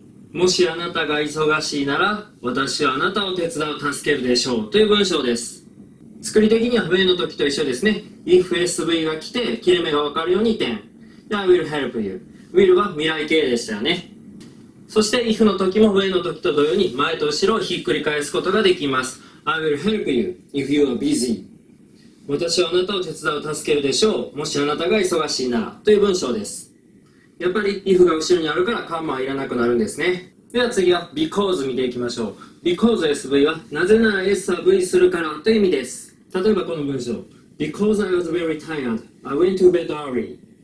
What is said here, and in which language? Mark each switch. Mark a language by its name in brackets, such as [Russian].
[Japanese] もしあなたが忙しいなら私はあなたを手伝う、助けるでしょうという文章です。作り的には文の時と一緒ですね。 If S V が来て切れ目がわかるように点、 [English] I will help you。 [Japanese] Will は未来形でしたよね。そして if の時も文の時と同様に前と後ろをひっくり返すことができます。 [English] I will help you if you are busy。 [Japanese] 私はあなたを手伝う、助けるでしょう、もしあなたが忙しいならという文章です。やっぱり if が後ろにあるからカンマはいらなくなるんですね。では次は because 見ていきましょう。because SV はなぜなら S は V するからという意味です。例えばこの文章、 [English] because I was very tired, I went to bed early。